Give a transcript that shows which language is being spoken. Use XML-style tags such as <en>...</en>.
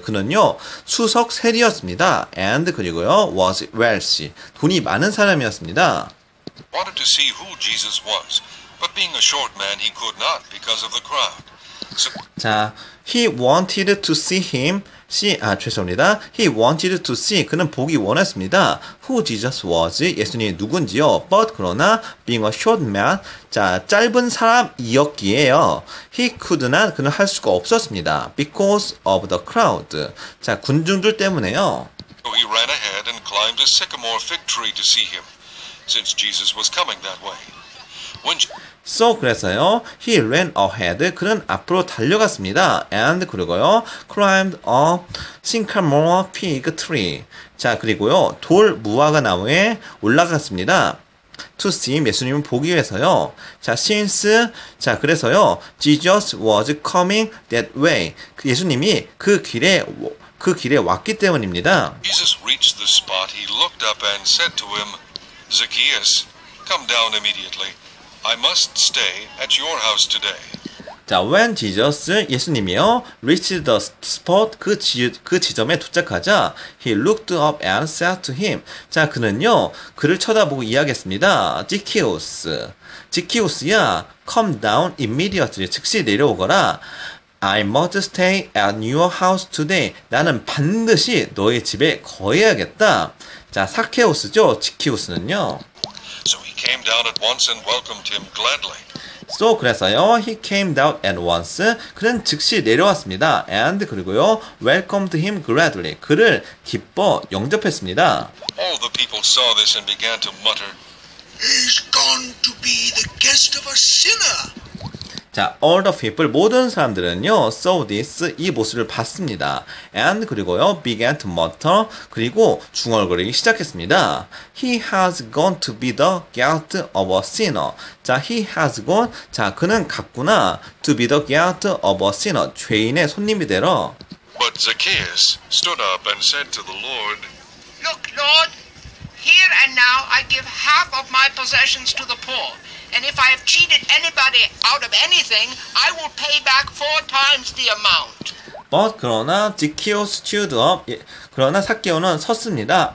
<ko>그는요, 수석 세리였습니다.</ko> <en>And,</en> <ko>그리고요,</ko> <en>was wealthy.</en> <ko>돈이 많은 사람이었습니다.</ko> <en>Wanted to see who Jesus was, but being a short man, he could not because of the crowd. So... 자, he wanted to see him.</en> <ko>죄송합니다.</ko> <en>He wanted to see.</en> <ko>그는 보기 원했습니다.</ko> <en>Who Jesus was.</en> <ko>예수님이 누군지요.</ko> <en>But,</en> <ko>그러나,</ko> <en>being a short man.</en> <ko>자, 짧은 사람이었기에요.</ko> <en>He could not.</en> <ko>그는 할 수가 없었습니다.</ko> <en>Because of the crowd.</en> <ko>자, 군중들 때문에요.</ko> <en>So he ran ahead and climbed a sycamore fig tree to see him. Since Jesus was coming that way. So,</en> <ko>그래서요,</ko> <en>he ran ahead,</en> <ko>그는 앞으로 달려갔습니다.</ko> <en>And,</en> <ko>그리고요,</ko> <en>climbed a sycamore fig tree.</en> <ko>자, 그리고요, 돌 무화과나무에 올라갔습니다.</ko> <en>To see</en> <ko>예수님을 보기 위해서요.</ko> <en>자, since,</en> <ko>자, 그래서요,</ko> <en>Jesus was coming that way.</en> <ko>예수님이 그 길에 왔기 때문입니다.</ko> <en>Jesus reached the spot, he looked up and said to him, Zacchaeus, come down immediately. I must stay at your house today. 자, when Jesus,</en> <ko>예수님이요,</ko> <en>reached the spot,</en> <ko>그 지점에 도착하자,</ko> <en>he looked up and said to him.</en> <ko>자, 그는요, 그를 쳐다보고 이야기했습니다.</ko> <en>Zacchaeus. Zacchaeus야, come down immediately.</en> <ko>즉시 내려오거라.</ko> <en>I must stay at your house today.</en> <ko>나는 반드시 너의 집에 거해야겠다. 자, 사케우스죠. Zacchaeus는요.</ko> <en>So he came down at once and welcomed him gladly. So</en> <ko>그래서요,</ko> <en>he came down at once.</en> <ko>그는 즉시 내려왔습니다.</ko> <en>And</en> <ko>그리고요,</ko> <en>welcomed him gladly.</en> <ko>그를 기뻐 영접했습니다.</ko> <en>All the people saw this and began to mutter, He's gone to be the guest of a sinner. 자, all the people,</en> <ko>모든 사람들은요,</ko> <en>saw this,</en> <ko>이 모습을 봤습니다.</ko> <en>And,</en> <ko>그리고요,</ko> <en>began to mutter,</en> <ko>그리고 중얼거리기 시작했습니다.</ko> <en>He has gone to be the guest of a sinner. 자, he has gone,</en> <ko>자, 그는 갔구나.</ko> <en>To be the guest of a sinner,</en> <ko>죄인의 손님이 되러.</ko> <en>But Zacchaeus stood up and said to the Lord, Look, Lord, here and now I give half of my possessions to the poor. And if I have cheated anybody out of anything, I will pay back four times the amount. But</en> <ko>그러나</ko> <en>Zacchaeus stood up.</en> <ko>예, 그러나 사케오는 섰습니다.</ko>